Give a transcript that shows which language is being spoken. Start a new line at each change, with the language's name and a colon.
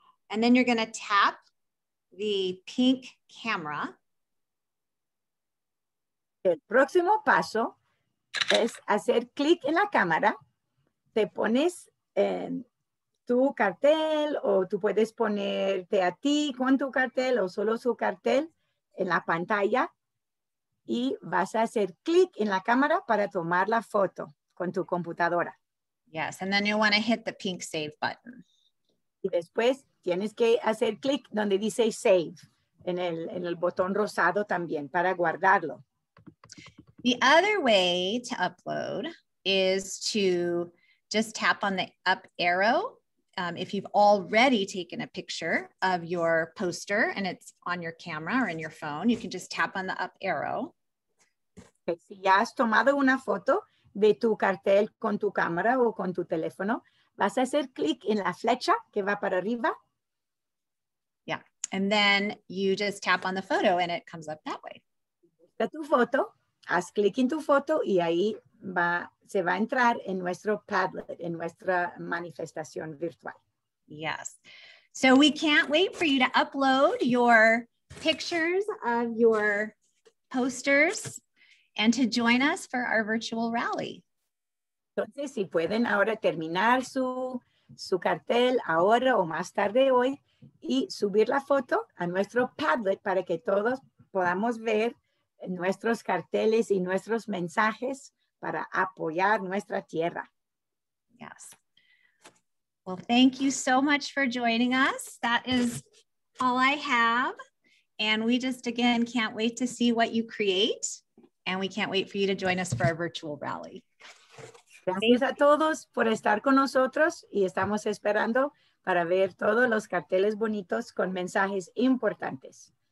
English: And then you're going to tap the pink camera.
Spanish: El próximo paso es hacer clic en la cámara. Te pones en tu cartel o tú puedes ponerte a ti con tu cartel o solo su cartel en la pantalla. Y vas a hacer clic en la cámara para tomar la foto con tu computadora.
English: Yes, and then you'll want to hit the pink save button.
Spanish: Y después tienes que hacer clic donde dice save, en el botón rosado también, para guardarlo.
English: The other way to upload is to just tap on the up arrow if you've already taken a picture of your poster and it's on your camera or in your phone, you can just tap on the up arrow.
Spanish: Okay, si ya has tomado una foto de tu cartel con tu cámara o con tu teléfono, vas a hacer clic en la flecha que va para arriba.
English: Yeah, and then you just tap on the photo and it comes up that way.
Spanish: Busca tu foto, haz clic en tu foto y ahí se va a entrar en nuestro Padlet, en nuestra manifestación virtual.
English: Yes, so we can't wait for you to upload your pictures of your posters and to join us for our virtual rally.
Spanish: Entonces, si pueden ahora terminar su cartel ahora o más tarde hoy y subir la foto a nuestro Padlet para que todos podamos ver nuestros carteles y nuestros mensajes para apoyar nuestra tierra.
English: Yes. Well, thank you so much for joining us. That is all I have. And we just, again, can't wait to see what you create. And we can't wait for you to join us for our virtual rally.
Spanish: Gracias a todos por estar con nosotros y estamos esperando para ver todos los carteles bonitos con mensajes importantes.